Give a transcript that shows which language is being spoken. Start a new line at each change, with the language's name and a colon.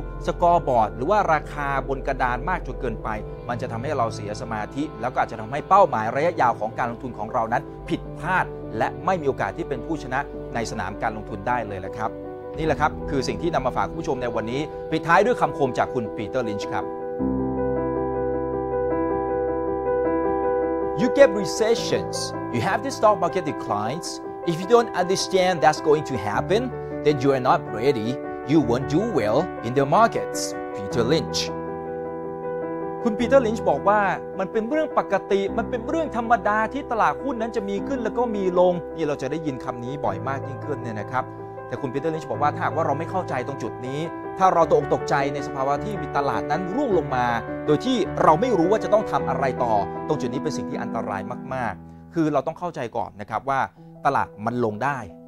Thai: สกอร์บอร์ดหรือว่าราคาบนกระดานมากจนเกินไปมันจะทำให้เราเสียสมาธิแล้วก็อาจจะทำให้เป้าหมายระยะยาวของการลงทุนของเรานั้นผิดพลาดและไม่มีโอกาสที่เป็นผู้ชนะในสนามการลงทุนได้เลยแหละครับนี่แหละครับคือสิ่งที่นำมาฝากคุณผู้ชมในวันนี้ปิดท้ายด้วยคำคมจากคุณปีเตอร์ลินช์ครับ
English: You get recessions, you have the stock market declines. If you don't understand that's going to happen, then you are not ready. You won't do well in the markets. Peter Lynch.
Thai: คุณปีเตอร์ลินช์บอกว่ามันเป็นเรื่องปกติมันเป็นเรื่องธรรมดาที่ตลาดหุ้นนั้นจะมีขึ้นแล้วก็มีลงนี่เราจะได้ยินคำนี้บ่อยมากยิ่งขึ้นเนี่ยนะครับแต่คุณปีเตอร์ลินช์บอกว่าถ้าหากว่าเราไม่เข้าใจตรงจุดนี้ถ้าเราตกใจในสภาวะที่มีตลาดนั้นร่วงลงมาโดยที่เราไม่รู้ว่าจะต้องทำอะไรต่อตรงจุดนี้เป็นสิ่งที่อันตรายมากๆคือเราต้องเข้าใจก่อนนะครับว่าตลาดมันลงได้